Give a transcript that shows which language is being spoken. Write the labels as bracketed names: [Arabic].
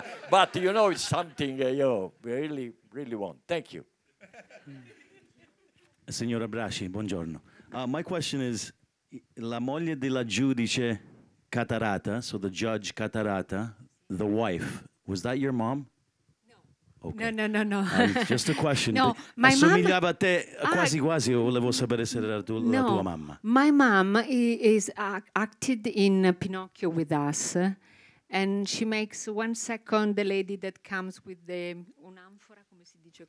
[English] But you know, it's something we really, really want. Thank you. [Italian] Signora Brasci, buongiorno. [English] My question is, [Italian] la moglie della giudice Catarata, [English] so the judge Catarata, the wife, was that your mom? Okay. No. Just a question. No, my [Italian] assomigliava a te quasi, volevo sapere se era la tua mamma. [English] My mom is acted in Pinocchio with us, and she makes 1 second the lady that comes with the [Italian] un'anfora, come si dice?